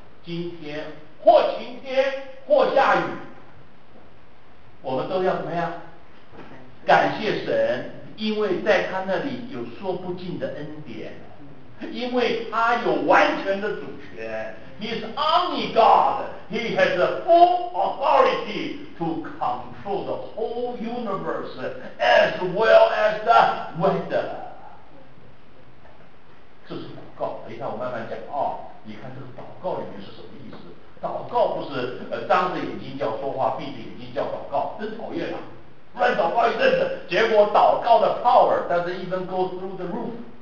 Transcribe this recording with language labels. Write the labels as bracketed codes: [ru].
[zh] 今天或晴天或下雨，我们都要怎么样？感谢神，因为在他那里有说不尽的恩典，因为他有完全的主权。 [en] He is omni God. He has the full authority to control the whole universe as well as the weather. [zh] 这是祷告。等一下，我慢慢讲啊、哦。你看这个祷告里面是什么意思？祷告不是张着眼睛叫说话，闭着眼睛叫祷告，真讨厌啊！乱祷告一阵子，结果祷告的 [en] power doesn't even go through the roof。